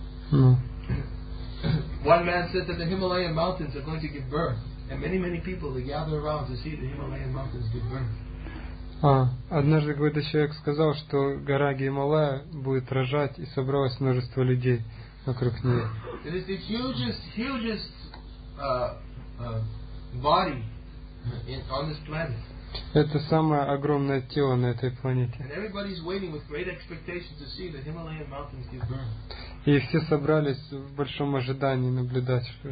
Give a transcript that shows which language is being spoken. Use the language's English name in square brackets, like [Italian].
[English] One man said that the Himalayan mountains are going to give birth, and many people they gather around to see the Himalayan mountains give birth. [Russian] Однажды какой-то человек сказал, что гора Гималая будет рожать, и собралось множество людей вокруг нее. [English] It is the hugest body on this planet. [Russian] Это самое огромное тело на этой планете. [English] And everybody's waiting with great expectation to see the Himalayan mountains give birth. [Russian] И все собрались в большом ожидании наблюдать, что